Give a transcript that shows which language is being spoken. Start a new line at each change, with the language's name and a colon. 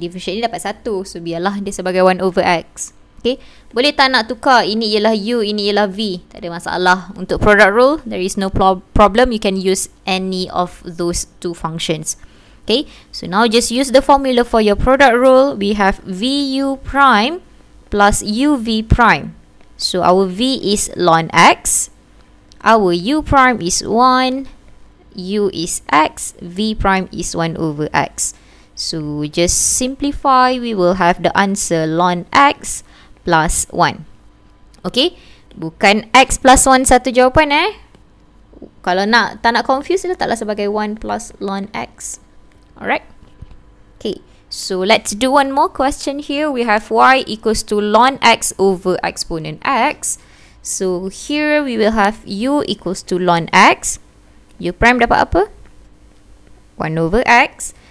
Malay: Differentiate ni dapat 1, so biarlah dia sebagai 1 over x. Okay, boleh tak nak tukar? Ini ialah u, ini ialah v. Tak ada masalah. Untuk product rule,
English: there is no problem. You can use any of those two functions. Okay, so now just use the formula for your product rule. We have vu prime plus uv prime. So our v is ln x, our u prime is 1, u is x, v prime is 1 over x. So just simplify, we will have the answer ln x plus 1.
Malay: Okay, bukan x plus 1 satu jawapan eh. Kalau nak tak nak confuse, letaklah sebagai 1 plus ln x.
English: Alright, okay, so let's do one more question here. We have y equals to ln x over exponent x. So here we will have u equals to ln x. U prime
Malay: dapat apa?
English: 1 over x.